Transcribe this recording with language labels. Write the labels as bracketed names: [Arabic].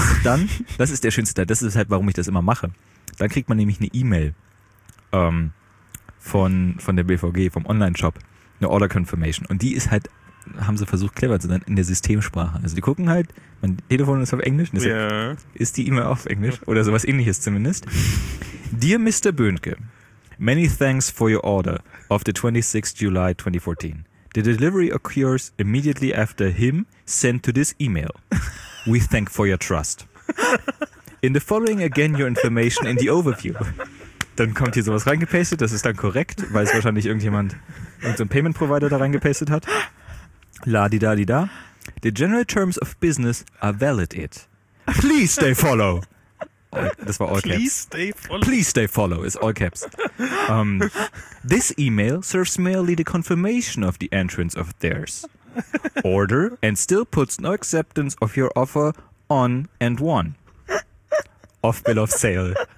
[German] Dann, das ist der schönste Teil, das ist halt, warum ich das immer mache. Dann kriegt man nämlich eine E-Mail von der BVG, vom Online-Shop, eine Order Confirmation. Und die ist halt, haben sie versucht, clever zu sein, in der Systemsprache. Also die gucken halt, mein Telefon ist auf Englisch, ist die E-Mail auf Englisch oder sowas ähnliches zumindest. [English] Dear Mr. Böhnke, many thanks for your order of the 26th July 2014. The delivery occurs immediately after him sent to this email. We thank for your trust. In the following again your information in the overview. [German] Dann kommt hier sowas reingepastet, das ist dann korrekt, weil es wahrscheinlich irgendein Payment Provider da reingepastet hat. La-di-da-di-da. [English] The general terms of business are valid it. Please stay follow. [German] Das war all caps. [English] Please stay follow is all caps. This email serves merely the confirmation of the entrance of theirs. Order and still puts no acceptance of your offer on and one. Off bill of sale.